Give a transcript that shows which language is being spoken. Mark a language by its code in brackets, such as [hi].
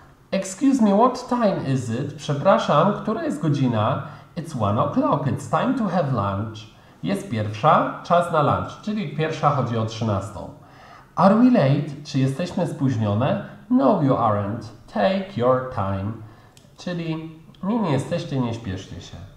[en] Excuse me, what time is it? [pl] Przepraszam, która jest godzina? [en] It's 1 o'clock. It's time to have lunch. [pl] Jest pierwsza, czas na lunch, czyli pierwsza chodzi o 13. [en] Are we late? [pl] Czy jesteśmy spóźnione? [en] No, you aren't. Take your time. [pl] Czyli nie jesteście, nie śpieszcie się.